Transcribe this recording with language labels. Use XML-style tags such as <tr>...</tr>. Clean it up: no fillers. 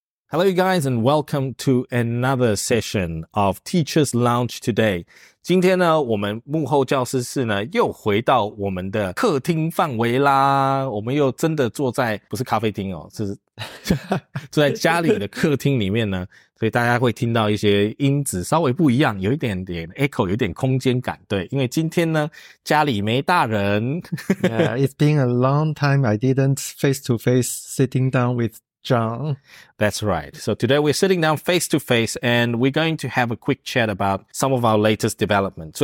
<en>Hello, you guys, and welcome to another session of Teacher's Lounge today.</en> <zh>今天呢，我们幕后教师室呢，又回到我们的客厅范围啦。我们又真的坐在，不是咖啡厅哦，是坐在家里的客厅里面呢。所以大家会听到一些音质稍微不一样，有一点点 echo, 有一点空间感。对，因为今天呢，家里没大人。</zh> <en>Yeah, it's been a long time I didn't face to face sitting down with John. That's right. So today we're sitting down face to face and we're going to have a quick chat about some of our latest development.</en>